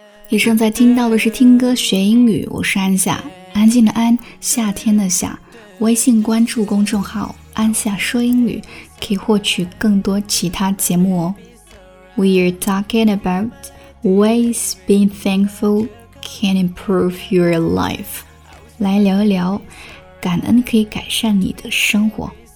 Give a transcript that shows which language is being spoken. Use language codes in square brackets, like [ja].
[zh] 你正在听到的是听歌学英语，我是安夏，安静的安，夏天的夏。微信关注公众号安夏说英语，可以获取更多其他节目哦。 [en] We're talking about ways being thankful can improve your life. [zh] 来聊一聊，感恩可以改善你的生活。